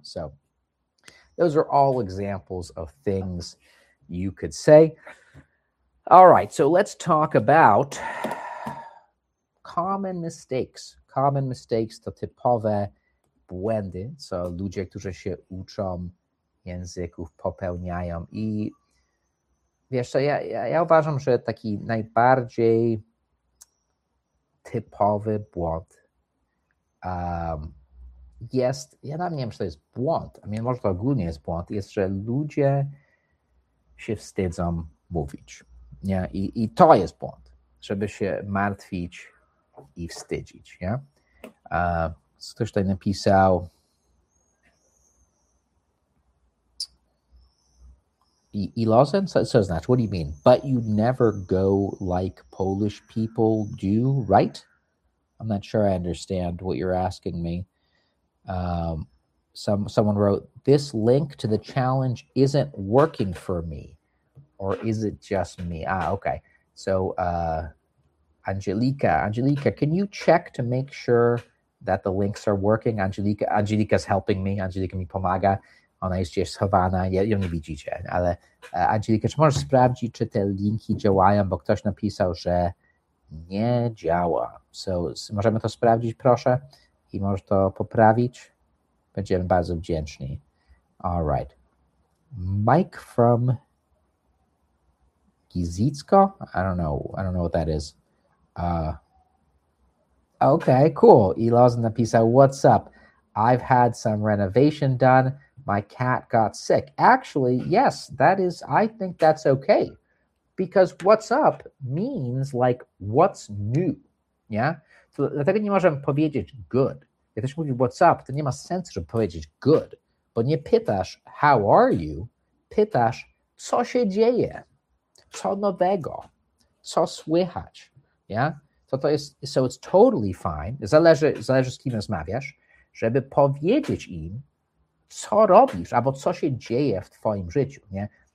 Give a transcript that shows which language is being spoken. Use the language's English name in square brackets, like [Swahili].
[English] So those are all examples of things you could say. All right. So let's talk about common mistakes. Common mistakes [Polish] to typowe błędy, co ludzie, którzy się uczą języków, popełniają. I wiesz co, ja uważam, że taki najbardziej typowy błąd jest, ja nawet nie wiem, czy to jest błąd, a może to ogólnie jest błąd, jest, że ludzie się wstydzą mówić. Nie? I to jest błąd, żeby się martwić i wstydzić. Nie? Ktoś tutaj napisał, Ilozen? [English] So znaczy, what do you mean? But you never go like Polish people do, right? I'm not sure I understand what you're asking me. Someone wrote, this link to the challenge isn't working for me. Or is it just me? Ah, okay. So, Angelica, can you check to make sure that the links are working? Angelica's helping me. [Polish] Angelica mi pomaga. Ona jest gdzieś schowana, ją nie widzicie, ale Angelika, czy możesz sprawdzić, czy te linki działają, bo ktoś napisał, że nie działa. So, możemy to sprawdzić, proszę, i możesz to poprawić. Będziemy bardzo wdzięczni. [English] All right. Mike from Gizicko? I don't know what that is. Okay, cool. [Polish] Ilozen napisał, [English] what's up? I've had some renovation done. My cat got sick. Actually, yes, that is, I think that's okay. Because what's up means like what's new. Yeah? [Polish] So, dlatego nie możemy powiedzieć good. Jak ktoś mówi [English] what's up, [Polish] to nie ma sensu, żeby powiedzieć good. Bo nie pytasz [English] how are you, [Polish] pytasz co się dzieje, co nowego, co słychać. Yeah? [English] So it's totally fine. [Polish] Zależy z kim rozmawiasz, żeby powiedzieć im, co robisz, albo co się dzieje w twoim życiu, nie?